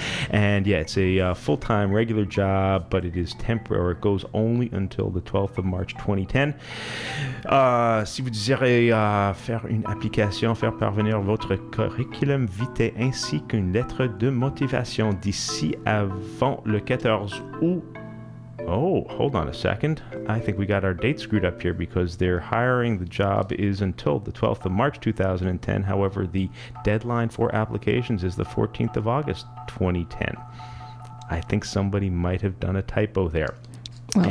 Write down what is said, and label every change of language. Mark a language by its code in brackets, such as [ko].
[en] And yeah, it's a full-time regular job, but it is temporary. It goes only until the 12th of March 2010. [fr] Si vous désirez faire une application, faire parvenir votre curriculum vitae ainsi qu'une lettre de motivation d'ici avant le 14 août. [en] Oh, hold on a second. I think we got our date screwed up here because they're hiring. The job is until the 12th of March 2010. However, the deadline for applications is the 14th of August 2010. I think somebody might have done a typo there. Well.